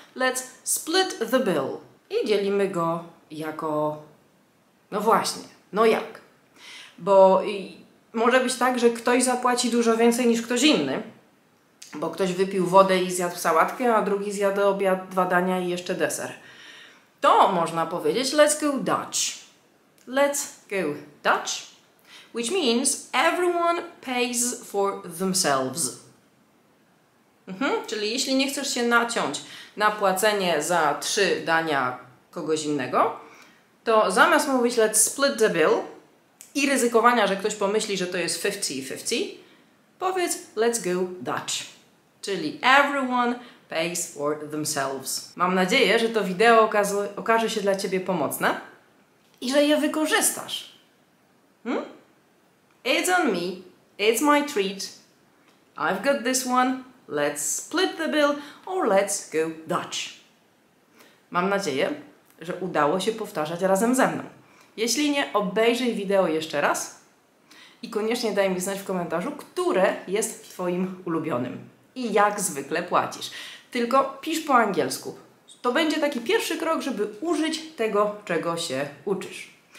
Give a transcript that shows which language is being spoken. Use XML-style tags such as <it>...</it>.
<en>Let's split the bill.</en> <pl>I dzielimy go jako... No właśnie. No jak? Bo może być tak, że ktoś zapłaci dużo więcej niż ktoś inny. Bo ktoś wypił wodę i zjadł sałatkę, a drugi zjadł obiad, dwa dania i jeszcze deser. To można powiedzieć</pl> <en>let's go Dutch. Let's go Dutch. Which means everyone pays for themselves. Mhm.</en> <pl>Czyli jeśli nie chcesz się naciąć na płacenie za trzy dania kogoś innego, to zamiast mówić</pl> <en>let's split the bill</en> <pl>i ryzykowania, że ktoś pomyśli, że to jest 50-50, powiedz</pl> <en>let's go Dutch. Czyli everyone pays for themselves.</en> <pl>Mam nadzieję, że to wideo okaże się dla Ciebie pomocne i że je wykorzystasz. Hmm?</pl> <en>It's on me, it's my treat, I've got this one, let's split the bill, or let's go Dutch.</en> <pl>Mam nadzieję, że udało się powtarzać razem ze mną. Jeśli nie, obejrzyj wideo jeszcze raz i koniecznie daj mi znać w komentarzu, które jest Twoim ulubionym i jak zwykle płacisz. Tylko pisz po angielsku. To będzie taki pierwszy krok, żeby użyć tego, czego się uczysz.</pl>